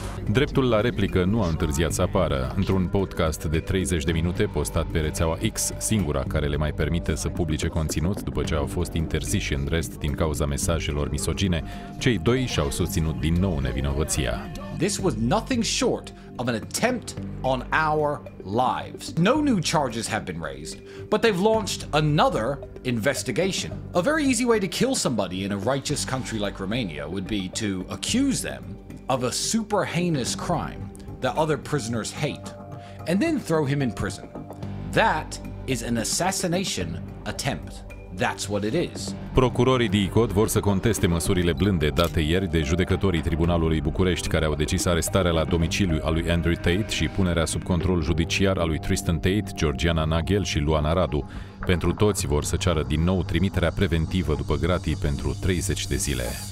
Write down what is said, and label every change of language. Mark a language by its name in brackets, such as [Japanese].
[Romanian] Dreptul la replică nu a întârziat să apară. Într-un podcast de 30 de minute postat pe rețeaua X, singura care le mai permite să publice conținut după ce au fost interziși în rest din cauza mesajelor misogine, cei doi și-au susținut din nou nevinovăția. [English] This was nothing short of an attempt on our lives. No new charges have been raised, but they've launched another investigation. A very easy way to kill somebody in a righteous country like Romania would be to accuse them of a super heinous crime that other prisoners hate, and then throw him in prison. That is an assassination attempt. That's what it is. [Romanian] Procurorii DIICOT vor să conteste măsurile blânde date ieri de judecătorii Tribunalului București, care au decis arestarea la domiciliu al lui Andrew Tate și punerea sub control judiciar al lui Tristan Tate, Georgiana Nagel și Luana Radu. Pentru toți vor să ceară din nou trimiterea preventivă după gratii pentru 30 de zile.